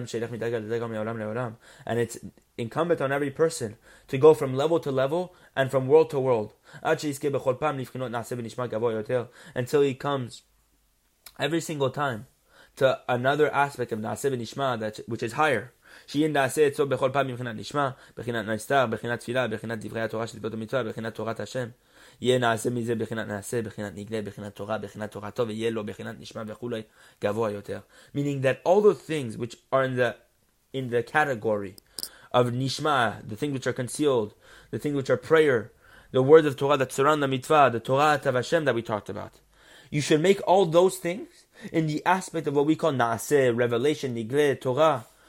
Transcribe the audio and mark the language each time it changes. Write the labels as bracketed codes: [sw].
[en] And it's incumbent on every person to go from level to level and from world to world. Until he comes every single time to another aspect of Naseh v'Nishma, which is higher. [he] שיין נעשה עצו בכל פעם מבחינת נשמע, בחינת נסתר, בחינת תפילה, בחינת דברי התורה של דברות המצווה, בחינת תורת השם. יהיה נעשה מזה בחינת נעשה, בחינת נגלה, בחינת תורה, בחינת תורתו, ויהיה לו בחינת נשמע וכולי גבוה יותר. [en] Meaning that all those things which are in the category of נשמע, the things which are concealed, the things which are prayer, the words of Torah that surround the mitzvah, the Torah of Hashem that we talked about. You should make all those things in the aspect of what we call נעשה, revelation, נגלה, Torah.